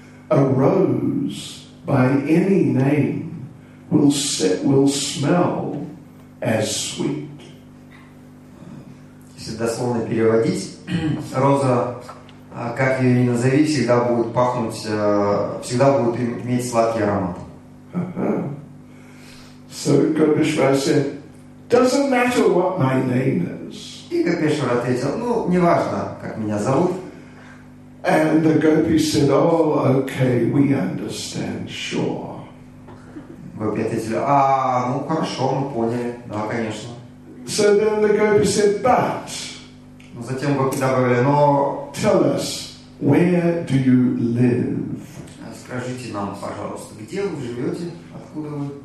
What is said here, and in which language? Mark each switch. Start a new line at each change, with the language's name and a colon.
English: A rose by any name will smell as sweet.
Russian: Если дословно переводить, роза, как ее ни назови, всегда будет пахнуть, всегда будет иметь сладкий аромат.
English: So Gopeshwar said, doesn't matter what my name is.
Russian: И Гопешвар ответил, ну, неважно, как меня зовут.
English: And the gopi said, oh, okay, we understand, sure.
Russian: Гопи ответили, ну хорошо, мы поняли, да, конечно.
English: So then the gopi said, but.
Russian: Но затем гопи добавили, но.
English: Tell us, where do you live?
Russian: Скажите нам, пожалуйста, где вы живете, откуда вы?